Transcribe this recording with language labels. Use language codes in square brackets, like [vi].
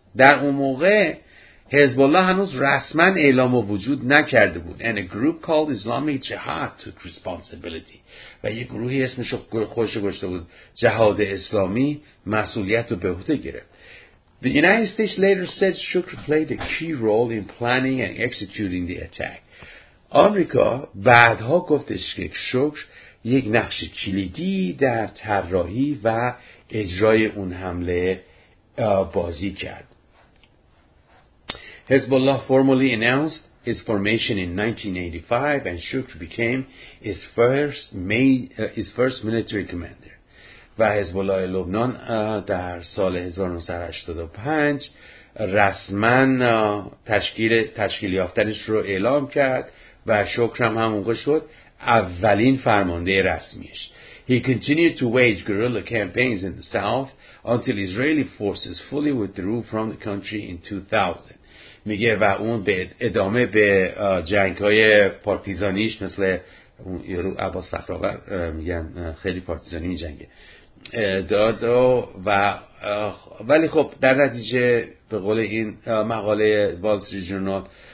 [fa] در اون موقع حزب الله هنوز رسما اعلام وجود نکرده بود. [en] And a group called Islamic Jihad took responsibility. [fa] و یه گروهی اسمش خوش گذاشته بود جهاد اسلامی مسئولیت رو به عهده گرفت. [en] The United States later said Shukr played a key role in planning and executing the attack. [fa] آمریکا بعدها گفتش که شکر یک نقش کلیدی در طراحی و اجرای اون حمله بازی کرد. [en] حزب الله formally announced its formation in 1985 and Shukr became its first military commander. [fa] و حزب الله لبنان در سال 1985 رسما تشکیل یافتنش رو اعلام کرد و شکرم هم اونجا شد اولین فرمانده رسمیش. [en] He continued to wage guerrilla campaigns in the south until Israeli forces fully withdrew from the country in 2000. [fa] میگه و اون به ادامه به جنگ‌های پارتیزانیش مثل یارو عباس فخرآور میگن خیلی پارتیزانی جنگه داد و ولی خب در نتیجه به قول این مقاله وال استریت جورنال